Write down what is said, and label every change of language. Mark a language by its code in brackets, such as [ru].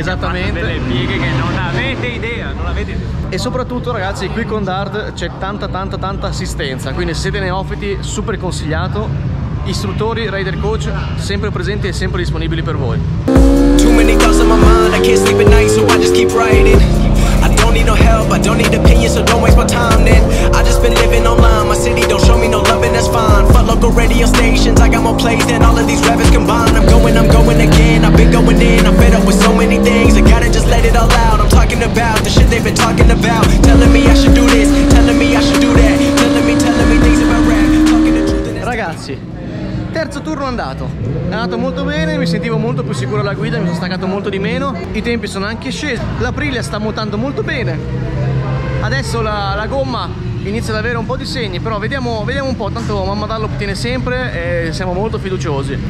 [it] Esattamente, che ha fatto delle pieghe che non avete idea, non avete idea. E soprattutto ragazzi, qui con Dart c'è tanta tanta tanta assistenza, quindi siete neofiti super consigliato, istruttori, rider coach sempre presenti e sempre disponibili per voi. [en] Too many thoughts on my mind, I can't sleep at night so I just keep riding. I don't need no help, I don't need opinions, so don't waste my time then. I just been living online, my city don't show me no love and that's fine. Fuck local radio stations, I got more plays than all of these rappers combined. I'm going again, I've been going in, I'm fed up with so many things. I gotta just let it all out, I'm talking about the shit they've been talking about. Telling me I should do this, telling me I should do that. Telling me things about rap, talking the truth and [it] ragazzi, terzo turno andato. È andato molto bene, mi sentivo molto più sicuro alla guida, mi sono staccato molto di meno. I tempi sono anche scesi. L'Aprilia sta montando molto bene. Adesso la gomma inizia ad avere un po' di segni, però vediamo un po', tanto Mamma Dallo tiene sempre e siamo molto fiduciosi.